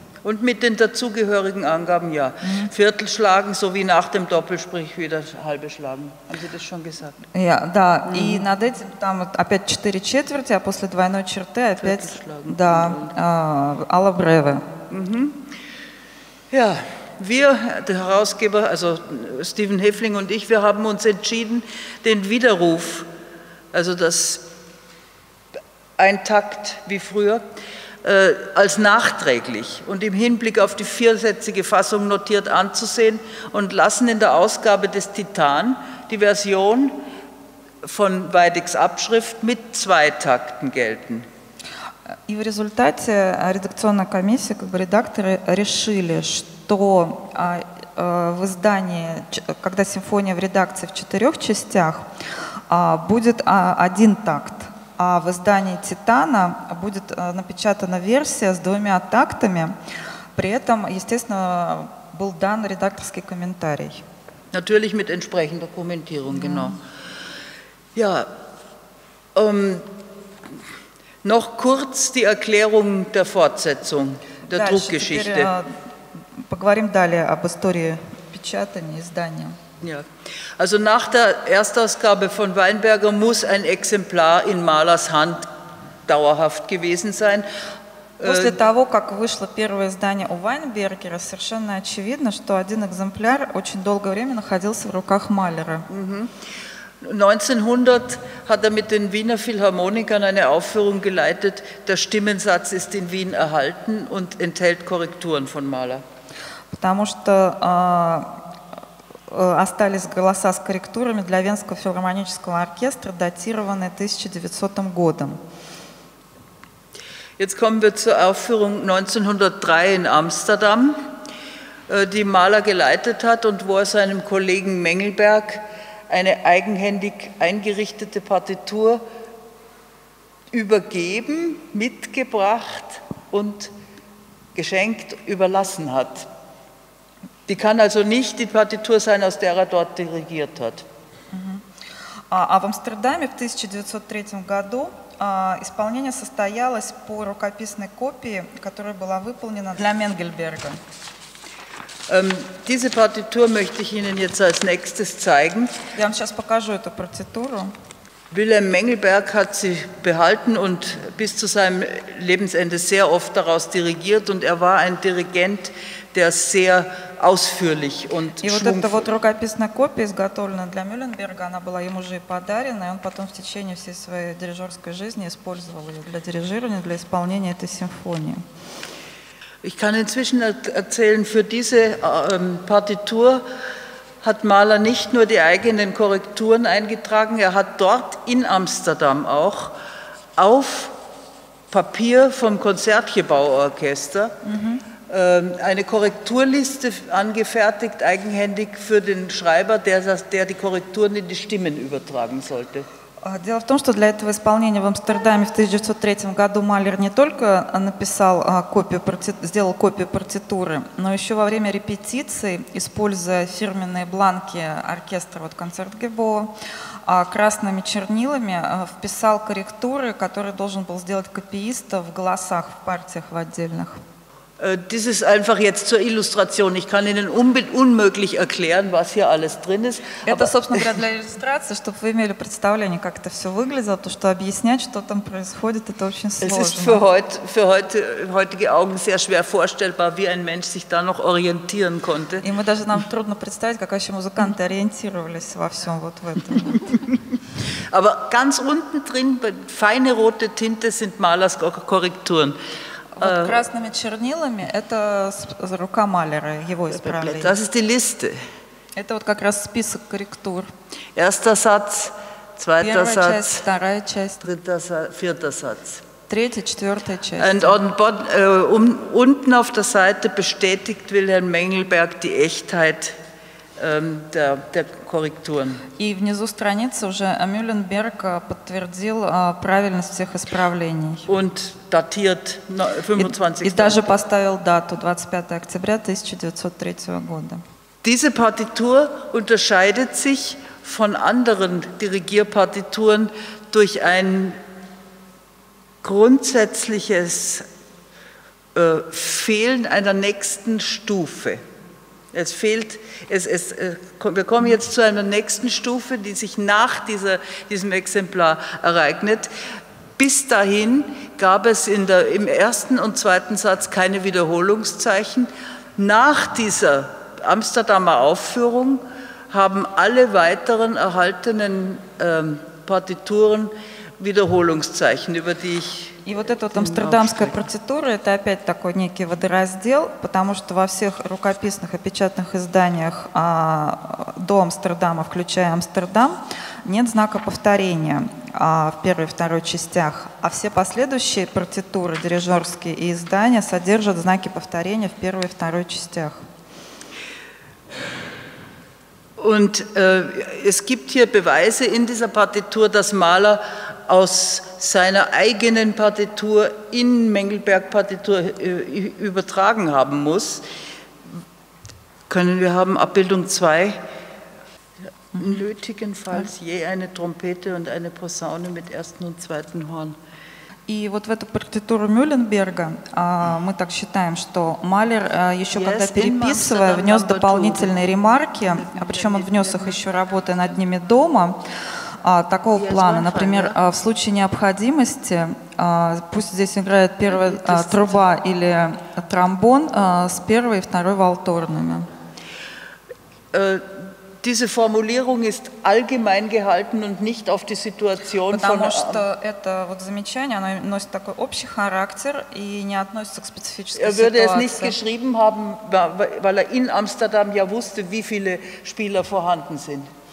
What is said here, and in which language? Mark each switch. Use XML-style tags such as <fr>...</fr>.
<de>Und mit den dazugehörigen Angaben, ja. Mhm. Viertel schlagen, so wie nach dem Doppelsprich wieder halbe schlagen. Haben Sie das schon gesagt? Ja, da.</de> <ru>Mhm. И над этим там вот опять четыре четверти, а после двойной черты опять да, alla breve. Mhm.</ru> <de>Ja, wir, der Herausgeber, also Stephen Häfling und ich, wir haben uns entschieden, den Widerruf, also das Eintakt wie früher, als nachträglich und im Hinblick auf die viersätzige Fassung notiert anzusehen und lassen in der Ausgabe des Titan die Version von Weidigs Abschrift mit zwei Takten gelten.</de> <ru>И в результате редакционная комиссия, как бы редакторы, решили, что в издании, когда симфония в редакции в четырех частях, будет один такт, а в издании «Титана» будет напечатана версия с двумя тактами, при этом, естественно, был дан редакторский комментарий.</ru> <de>Natürlich mit entsprechender Kommentierung, genau. Ja, noch kurz die Erklärung der Fortsetzung der Druckgeschichte.</de> <ru>Поговорим далее об истории печатания, издания.</ru> <de>Ja. Also nach der Erstausgabe von Weinberger muss ein Exemplar in Mahlers Hand dauerhaft gewesen sein.</de> <ru>После того, как вышло первое издание у Вайнбергера, совершенно очевидно, что один экземпляр очень долгое время находился в руках Малера.</ru> <de>1900 hat mit den Wiener Philharmonikern eine Aufführung geleitet. Der Stimmensatz ist in Wien erhalten und enthält Korrekturen von Mahler.</de> <ru>Потому что остались голоса с корректурами для Венского филармонического оркестра, датированные 1900 годом.</ru> <de>Jetzt kommen wir zur Aufführung 1903 in Amsterdam, die Mahler geleitet hat und wo er seinem Kollegen Mengelberg eine eigenhändig eingerichtete Partitur übergeben, mitgebracht und geschenkt, überlassen hat. Die kann also nicht die Partitur sein, aus der er dort dirigiert hat.</de> <ru>А в Амстердаме в 1903 году исполнение состоялось по рукописной копии, которая была выполнена для Менгельберга.</ru> <de>Diese Partitur möchte ich Ihnen jetzt als nächstes zeigen.</de> <ru>Я вам сейчас покажу эту партитуру.</ru> <de>Wilhelm Mengelberg hat sie behalten und bis zu seinem Lebensende sehr oft daraus dirigiert und er war ein Dirigent, der sehr ausführlich und schwungvoll.</de> <ru>И вот эта вот рукописная копия, изготовленная для Мюлленберга, она была ему же и подарена, и он потом в течение всей своей дирижерской жизни использовал ее для дирижирования, для исполнения этой симфонии.</ru> <de>Ich kann inzwischen erzählen, für diese Partitur hat Mahler nicht nur die eigenen Korrekturen eingetragen, er hat dort in Amsterdam auch auf Papier vom Konzertgebauorchester eine Korrekturliste angefertigt, eigenhändig für den Schreiber, der die Korrekturen in die Stimmen übertragen sollte.</de> <ru>Дело в том, что для этого исполнения в Амстердаме в 1903 году Малер не только написал копию, сделал копию партитуры, но еще во время репетиции, используя фирменные бланки оркестра вот Концертгебоу, красными чернилами вписал корректуры, которые должен был сделать копиист в голосах, в партиях, в отдельных.</ru> <de>Das ist einfach jetzt zur Illustration. Ich kann Ihnen unmöglich erklären, was hier alles drin ist.</de> <ru>Это, собственно говоря, для иллюстрации, чтобы вы имели представление, как это все выглядело, то, что объяснять, что там происходит, это очень сложно.</ru> <de>Es ist für heutige Augen sehr schwer vorstellbar, wie ein Mensch sich da noch orientieren konnte.</de> <ru>И мы даже нам трудно представить, как вообще музыканты ориентировались во всем вот в этом.</ru> <de>Aber ganz unten drin, feine rote Tinte, sind Malers Korrekturen.</de> <ru>Вот красными чернилами это рука Малера, его исправление.</ru> <de>Das ist die Liste.</de> <ru>Это вот как раз список корректур.</ru> <de>Erster Satz, zweiter Satz,</de> <ru>часть, вторая часть,</ru> <de>dritter Satz, vierter Satz.</de> <ru>Третья, четвертая часть.</ru> <de>And unten auf der Seite bestätigt Wilhelm Mengelberg die Echtheit der Korrekturen.</de> <ru>И внизу страницы уже Мюлленберг подтвердил правильность всех исправлений.</ru> <de>Und datiert 25.</de> <ru>И даже поставил дату 25 октября 1903 года.</ru> <de>Diese Partitur unterscheidet sich von anderen Dirigierpartituren durch ein grundsätzliches fehlen einer nächsten Stufe. Es fehlt, wir kommen jetzt zu einer nächsten Stufe, die sich nach diesem Exemplar ereignet. Bis dahin gab es im ersten und zweiten Satz keine Wiederholungszeichen. Nach dieser Amsterdamer Aufführung haben alle weiteren erhaltenen Partituren Wiederholungszeichen, über die ich...</de> <ru>И вот эта вот амстердамская процедура, это опять такой некий водораздел, потому что во всех рукописных и печатных изданиях до Амстердама, включая Амстердам, нет знака повторения в первой и второй частях, а все последующие партитуры, дирижерские и издания содержат знаки повторения в первой и второй частях.</ru> <de>Und es gibt hier Beweise in dieser Partitur, dass Mahler aus seiner eigenen Partitur in Mengelberg-Partitur übertragen haben muss. Können wir haben Abbildung 2? Nötigenfalls je eine Trompete und eine Posaune mit ersten und zweiten Horn.</de> <ru>И вот в эту партитуру Мюлленберга мы так считаем, что Малер еще когда переписывая, внес дополнительные ремарки, причем он внес их еще работая над ними дома, такого плана. Например, в случае необходимости, пусть здесь играет первая труба или тромбон с первой и второй валторными.</ru> <de>Diese Formulierung ist allgemein gehalten und nicht auf die Situation Er würde es nicht geschrieben haben, weil er in Amsterdam ja wusste, wie viele Spieler vorhanden sind.</de>